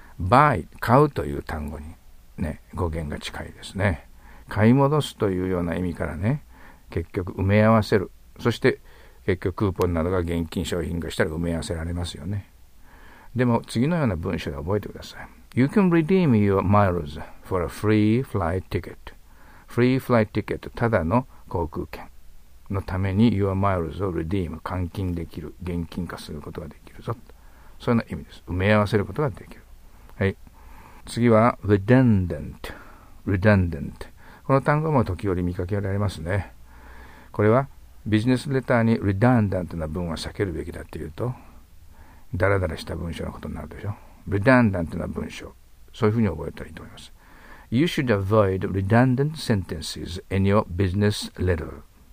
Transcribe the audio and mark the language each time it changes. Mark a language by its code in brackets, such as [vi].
[ja] buy 買うという単語に、ね、語源が近いですね。買い戻すというような意味からね、結局埋め合わせる、そして結局クーポンなどが現金商品化したら埋め合わせられますよね。でも次のような文章で覚えてください。 [en] You can redeem your miles for a free flight ticket. [ja] Free flight ticket、 ただの航空券のために your miles を redeem、 換金できる、現金化することができるぞ、そういう意味です。埋め合わせることができる。はい。次は redundant。redundant、 この単語も時折見かけられますね。これはビジネスレターに redundant な文は避けるべきだというと、ダラダラした文章のことになるでしょ。 redundant な文章、そういうふうに覚えたらいいと思います。 [en] You should avoid redundant sentences in your business letter.